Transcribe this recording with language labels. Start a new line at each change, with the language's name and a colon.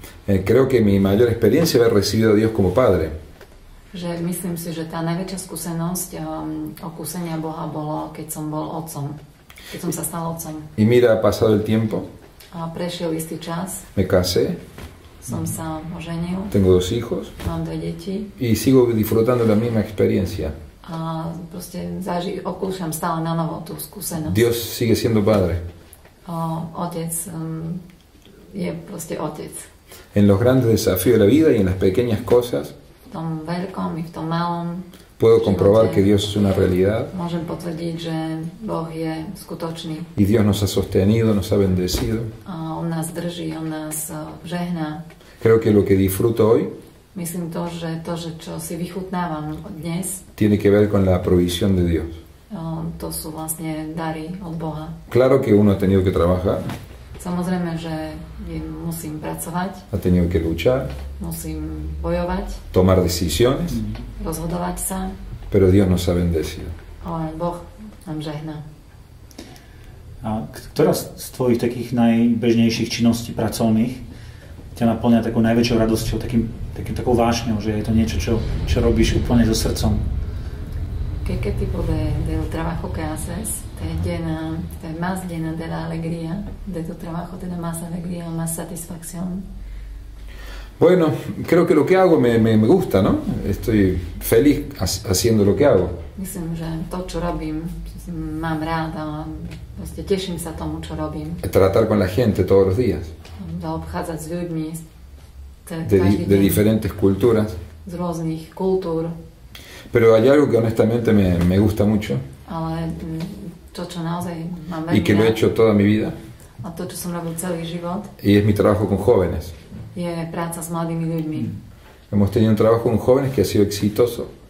Spanish: Creo que mi mayor experiencia haber recibido a Dios como padre.
Slovak: Že myslím si, že tá najväčšia skúsenosť okúsenia Boha bolo, keď som bol otcom. Keď som sa stal otcom.
Spanish: Y mira, ha pasado el tiempo.
Slovak: A prešiel istý čas.
Spanish: Me casé.
Slovak: Som sa oženil.
Spanish: Tengo dos hijos.
Slovak: Mám dve deti.
Spanish: Y sigo disfrutando la misma experiencia.
Slovak: A proste okúšam stále na novo tú skúsenosť.
Spanish: Dios sigue siendo padre.
Slovak: Otec je proste otec.
Spanish: En los grandes desafíos de la vida y en las pequeñas cosas.
Slovak: V tom veľkom i v tom malom.
Spanish: Puedo comprobar que Dios es una realidad.
Slovak: Môžem potvrdiť, že Boh je skutočný.
Spanish: Y Dios nos ha sostenido, nos ha bendecido.
Slovak: A on nás drží, on nás žehná.
Spanish: Creo que lo que disfruto hoy.
Slovak: Myslím to, že čo si vychutnávam dnes.
Spanish: Tiene que ver con la provisión de Dios.
Slovak: To sú vlastne dary od Boha.
Spanish: Claro que uno ha tenido que trabajar.
Slovak: Samozrejme, že musím pracovať.
Spanish: Ha tenido que luchar.
Slovak: Musím bojovať.
Spanish: Tomar decisiones.
Slovak: Rozhodovať sa.
Spanish: Pero Dios nos ha bendecido.
Slovak: Ale Boh nám žehná. A ktorá z tvojich takých najbežnejších činností pracovných ťa naplňa takou najväčšou radosťou, takou vášňou, že je to niečo, čo robíš úplne so srdcom?
Spanish: ¿Qué tipo de trabajo que haces te llena, te más llena de la alegría de tu trabajo, te da más alegría, más satisfacción? Bueno, creo que lo que hago me gusta, ¿no? Estoy feliz haciendo lo que hago.
Slovak: Myslím, že to, čo robím, mám rád a proste teším sa tomu, čo robím.
Spanish: Tratar con la gente todos los días.
Slovak: Obchádzať s ľuďmi
Spanish: de diferentes culturas.
Slovak: Z rôznych kultúr.
Spanish: Pero hay algo que honestamente me gusta mucho.
Slovak: Ale to, čo naozaj mám veľmi rád.
Spanish: Y que lo he hecho toda mi vida.
Slovak: A to, čo som robil celý život.
Spanish: Y es mi trabajo con jóvenes.
Slovak: Je práca s mladými ľuďmi.
Spanish: Hemos tenido un trabajo con jóvenes que ha sido exitoso.